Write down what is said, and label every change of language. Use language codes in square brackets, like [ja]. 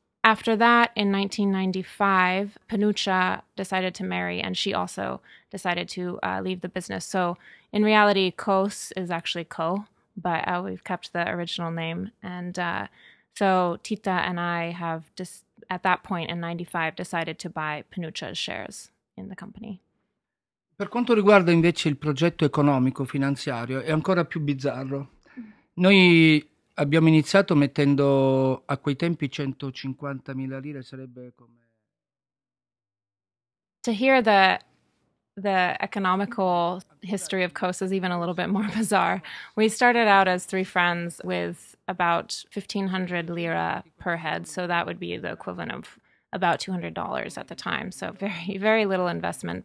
[en] after that, in 1995, Panucha decided to marry, and she also decided to leave the business. So, in reality, Cos is actually Co, but we've kept the original name. And so, Tita and I have, at that point in 1995, decided to buy Panucha's shares in the company. [it] Per quanto riguarda invece il progetto economico finanziario, è ancora più bizzarro. Noi abbiamo iniziato mettendo a quei tempi 150.000 lire, sarebbe come... [en] To hear the economical history of Cos is even a little bit more bizarre. We started out as three friends with about 1,500 lira per head, so that would be the equivalent of about $200 at the time, so very, very little investment.